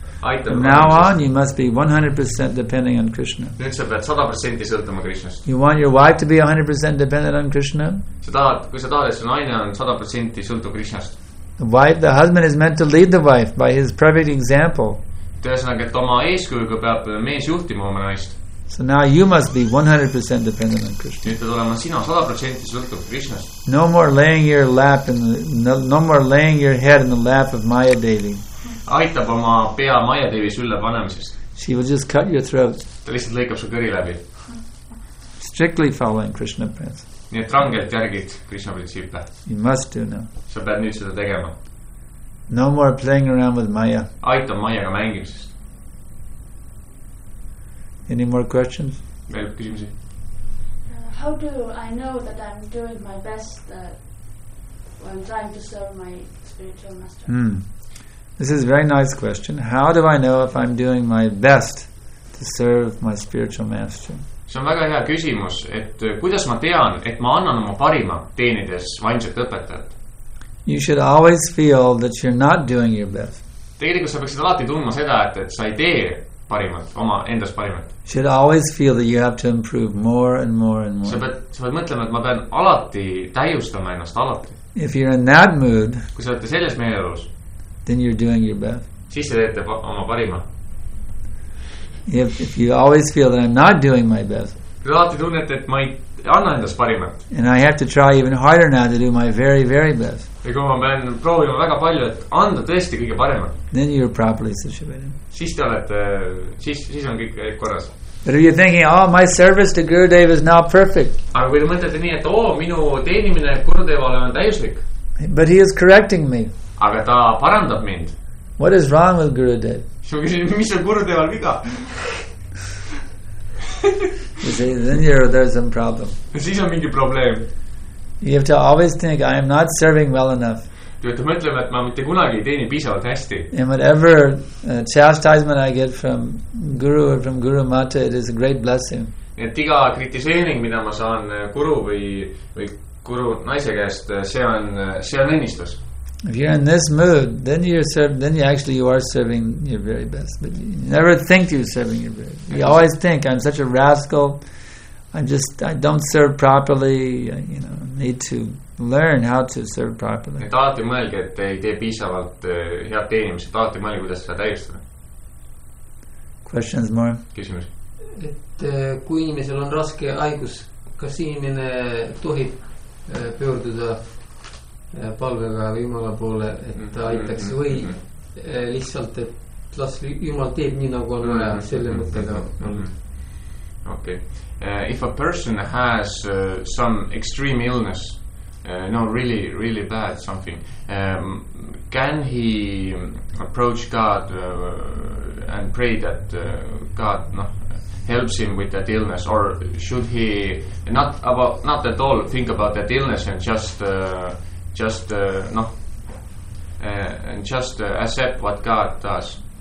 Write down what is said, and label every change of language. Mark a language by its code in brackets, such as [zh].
[et] aitab [en] now on you must be 100% depending on Krishna [et] nüüd sa pead 100% sõltama Krishnast [en] you want your wife to be 100% dependent on Krishna [et] kui sa tahad et su naine on 100% sõltuv Krishnast [en] wife, the husband is meant to lead the wife by his perfect example [et] tõesõnaga et oma eeskujuga peab mees juhtima oma naist [en] So now you must be 100% dependent on Krishna. [et] Nüüd pead olema sina 100% sõltuv Krishnast. [en] No more laying your lap in the, no more laying your head in the lap of Maya Devi. [et] Aitab oma pea Maya Devi sülle panemisest. [en] She will just cut your throat. [et] Ta lihtsalt lõikab su kõri läbi. [en] Strictly following Krishna prints. [et] Nii et rangelt järgid Krishna printsiipe. [en] You must do now. [et] Sa pead nüüd seda tegema. [en] No more playing around with Maya. [et] Aitab Mayaga mängimisest. [en] Any more questions? How do I know that I'm doing my best when I'm trying to serve my spiritual master? This is a very nice question. How do I know if I'm doing my best to serve my spiritual master? [et] See on väga hea küsimus, et kuidas ma tean, et ma annan oma parima teenides vaimset õpetajat? [en] You should always feel that you're not doing your best. [et] Tegelikult sa peaksid alati tundma seda, et sa ei tee parimat, oma endas parimat. [en] Should always feel that you have to improve more and more and more. [et] Sa pead mõtlema, et ma pean alati täiustama ennast, alati. [en] If you're in that mood, [et] kui sa olete selles meeleolus, [en] then you're doing your best. [et] Siis sa teete oma parima. [en] If you always feel that I'm not doing my best, [et] kui alati tunned, et ma ei anna endas parimat. [en] And I have to try even harder now to do my very, very best. [et] Ja kui ma pean proovima väga palju, et anda tõesti kõige paremat. [en] Then you're properly situated. [et] Siis te olete, siis on kõik korras. [en] But if you're thinking, oh, my service to Gurudev is now perfect. [et] Aga kui te mõtlete nii, et oh, minu teenimine Gurudevale on täiuslik. [en] But he is correcting me. [et] Aga ta parandab mind. [en] What is wrong with Gurudev? [et] Mis on Gurudeval viga? [en] You see, then there's some problem. [et] Siis on mingi probleem. [en] You have to always think I am not serving well enough. [et] Te mõtleme, et ma mitte kunagi ei teeni piisavalt hästi. [en] And whatever chastisement I get from Guru or from Guru Mata, it is a great blessing. [et] Et iga kritiseering, mida ma saan Guru või Guru naise käest, see on õnnistus. [en] If you're in this mood, then you are serving your very best. But you never think you're serving your very best. You always think I'm such a rascal. I don't serve properly, you know, need to learn how to serve properly. [et] Et alati mõelge, et ei tee piisavalt head teenimise, et alati mõelge, kuidas seda täiustada. [en] Questions more? [et] Küsimus. Et kui inimesel on raske haigus, kas inimene tohib pöörduda palvega Jumala poole, et ta aitaks või lihtsalt, et las Jumal teeb nii nagu on vaja selle mõttega [en] Okay. If a person has some extreme illness, really bad something, can he approach God and pray that God helps him with that illness, or should he not at all think about that illness and just accept what God does?